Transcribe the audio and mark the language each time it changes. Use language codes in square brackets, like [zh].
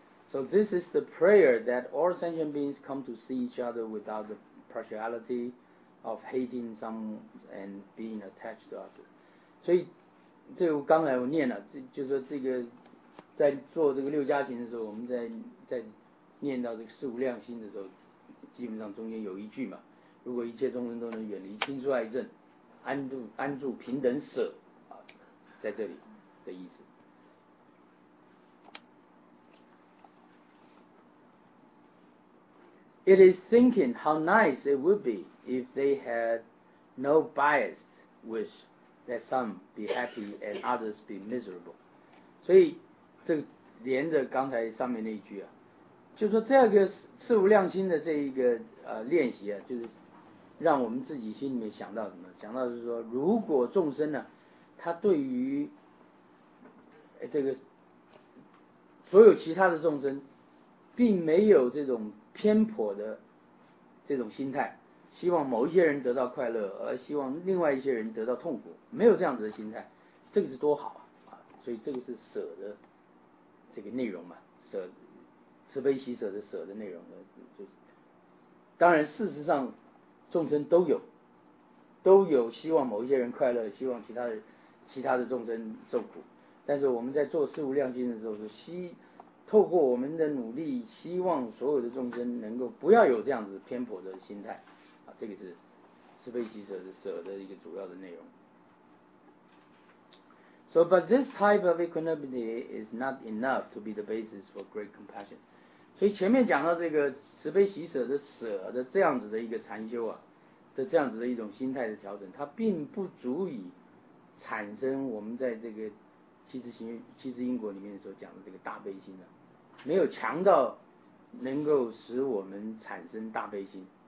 [en] So this is the prayer that all sentient beings come to see each other without the partiality of hating some and being attached to others. [zh] 所以，这我刚才我念了，就是说这个在做这个六加行的时候，我们在念到这个四无量心的时候，基本上中间有一句嘛，如果一切众生都能远离亲疏爱憎。安住平等舍、啊、在这里的意思。 [en] It is thinking how nice it would be if they had no biased wish let some be happy and others be miserable. [zh] 所以这个连着刚才上面那一句啊，就说这个事无量心的这一个练习啊，就是让我们自己心里面想到什么，想到是说如果众生呢、啊、他对于这个所有其他的众生并没有这种偏颇的这种心态，希望某一些人得到快乐而希望另外一些人得到痛苦，没有这样子的心态，这个是多好啊！所以这个是舍的这个内容嘛，舍慈悲喜舍的舍的内容的，就当然事实上众生都有希望某一些人快乐，希望其他的众生受苦，但是我们在做事无量心的时候是透过我们的努力，希望所有的众生能够不要有这样子偏颇的心态啊，这个是慈悲喜舍的舍的一个主要的内容。 [en] So, but this type of equanimity is not enough to be the basis for great compassion. [zh] 所以前面讲到这个慈悲喜舍的舍的这样子的一个禅修啊，的这样子的一种心态的调整，它并不足以产生我们在这个七支因果里面所讲的这个大悲心的、啊，没有强到能够使我们产生大悲心。